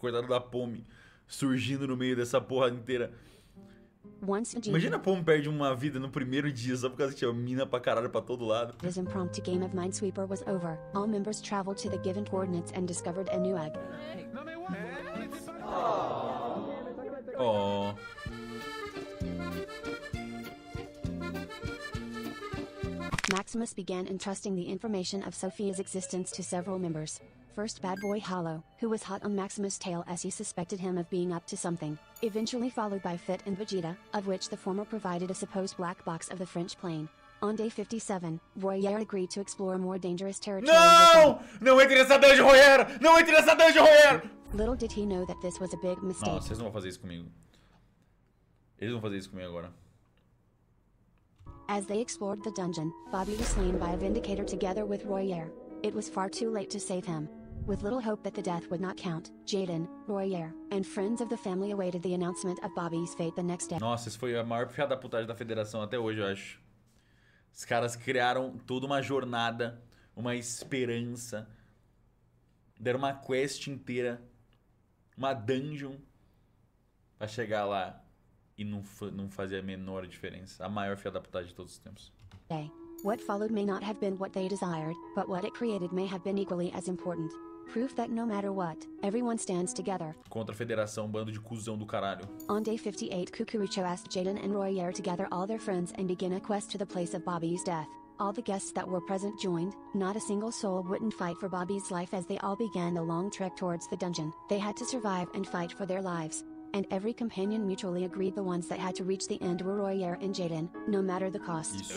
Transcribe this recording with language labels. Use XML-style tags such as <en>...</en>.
<pt>Coitado da Pomme surgindo no meio dessa porra inteira. Imagina a Pomme perde uma vida no primeiro dia só por causa que tinha mina pra caralho pra todo lado.</pt> <en>This impromptu game of Minesweeper was over. All members traveled to the given coordinates and discovered a new egg. Oh. Maximus began entrusting the information of Sophia's existence to several members. First, bad boy Hollow, who was hot on Maximus' tail as he suspected him of being up to something. Eventually followed by Fit and Vegeta, of which the former provided a supposed black box of the French plane. On day 57, Roier agreed to explore more dangerous territory.</en> <pt>No! Não entre nessa dungeon, Roier! Não entre nessa dungeon, Roier!</pt> <en>Little did he know that this was a big mistake.</en> <pt>Nossa, eles não vão fazer isso comigo. Eles vão fazer isso comigo agora.</pt> <en>As they explored the dungeon, Bobby was slain by a Vindicator together with Roier. It was far too late to save him. With little hope that the death would not count, Jaden, Roier, and friends of the family awaited the announcement of Bobby's fate the next day.</en> <pt>Nossa, isso foi a maior piada putagem da federação até hoje, eu acho. Os caras criaram toda uma jornada, uma esperança. Deram uma quest inteira, uma dungeon, pra chegar lá. E não fazia a menor diferença. A maior fia da putagem de todos os tempos.</pt> <en>Okay. What followed may not have been what they desired, but what it created may have been equally as important. Proof that no matter what, everyone stands together.</en> <pt>Contra a federação, bando de cuzão do caralho.</pt> <en>On day 58, Cucurucho asked Jaden and Royer to gather all their friends and begin a quest to the place of Bobby's death. All the guests that were present joined, not a single soul wouldn't fight for Bobby's life as they all began the long trek towards the dungeon. They had to survive and fight for their lives. And every companion mutually agreed the ones that had to reach the end were Royer and Jaden, no matter the cost.</en>